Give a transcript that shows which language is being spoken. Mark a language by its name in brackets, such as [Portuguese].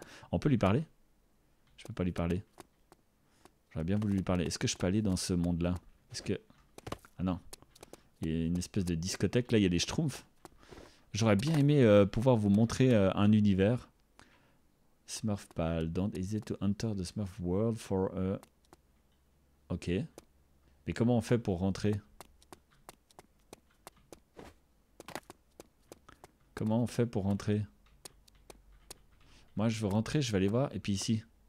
[French] On peut lui parler? Je peux pas lui parler. J'aurais bien voulu lui parler. Est-ce que je peux aller dans ce monde-là? Est-ce que... Ah non. Il y a une espèce de discothèque, là, il y a des schtroumpfs. J'aurais bien aimé pouvoir vous montrer un univers. [English] Smurf Pal, don't hesitate to enter the Smurf World for a. Ok. [French] Mais comment on fait pour rentrer? Comment on fait pour rentrer? Moi, je veux rentrer, je vais aller voir. Et puis ici.